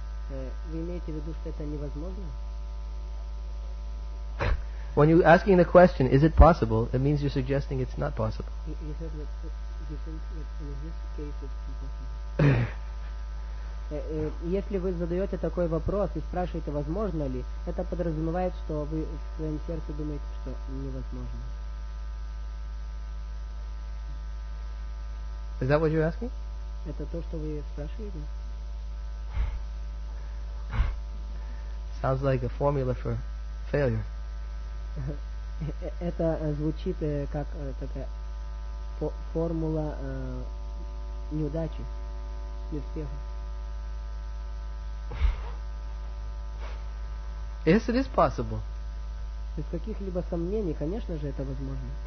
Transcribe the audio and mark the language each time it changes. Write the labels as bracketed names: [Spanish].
[Russian] Вы имеете в виду, что это невозможно? [English] When you're asking the question, is it possible? It means you're suggesting it's not possible. You said that you think that in this case it's impossible. [Russian] Если вы задаете такой вопрос и спрашиваете, возможно ли, это подразумевает, что вы в своем сердце думаете, что невозможно. [English] Is that what you're asking? [Russian] Это то, что вы спрашиваете? [English] Sounds like a formula for failure. [Russian] Это звучит как такая формула неудачи, неуспеха. [English] Yes, it is possible. [Russian] Без каких-либо сомнений, конечно же, это возможно.